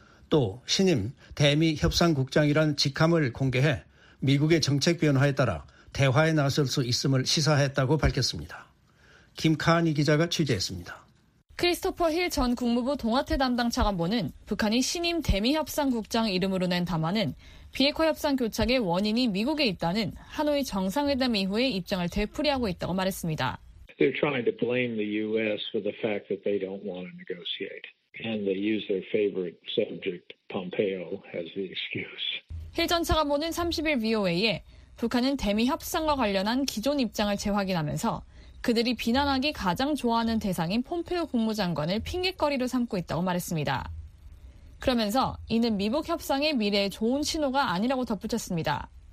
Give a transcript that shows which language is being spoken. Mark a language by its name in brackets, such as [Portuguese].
[Korean] 또 신임 대미협상국장이란 직함을 공개해 미국의 정책 변화에 따라 대화에 나설 수 있음을 시사했다고 밝혔습니다. 김카니 기자가 취재했습니다. 크리스토퍼 힐 전 국무부 동아태 담당 차관보는 북한이 신임 대미협상국장 이름으로 낸 담화는 비핵화 협상 교착의 원인이 미국에 있다는 하노이 정상회담 이후의 입장을 되풀이하고 있다고 말했습니다. [English] They're trying to blame the U.S. for the fact that they don't want to negotiate. And they use their favorite subject, Pompeo, as the excuse. [Korean] 힐 전 차관보는 30일 VOA에 북한은 대미 협상과 관련한 기존 입장을 재확인하면서 그들이 비난하기 가장 좋아하는 대상인 폼페오 국무장관을 핑계거리로 삼고 있다고 말했습니다. 그러면서 이는 미북 협상의 미래에 좋은 신호가 아니라고 덧붙였습니다.